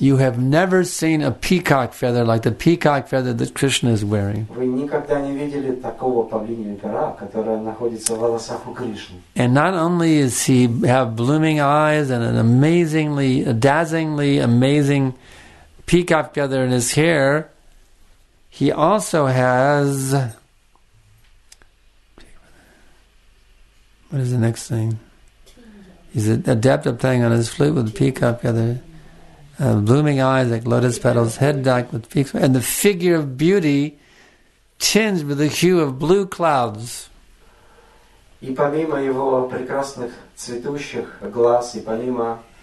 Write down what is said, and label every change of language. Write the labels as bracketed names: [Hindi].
[English] You have never seen a peacock feather like the peacock feather that Krishna is wearing. [Russian] Вы никогда не видели такого павлиньего пера, которое находится в волосах у Кришны. [English] And not only is he have blooming eyes and an amazingly, dazzlingly amazing peacock feather in his hair, he also has. What is the next thing? He's adept at playing on his flute with the peacock feather. Blooming eyes like lotus petals, head decked with peaks, and the figure of beauty tinged with the hue of blue clouds. [Russian] И помимо его прекрасных цветущих глаз, и помимо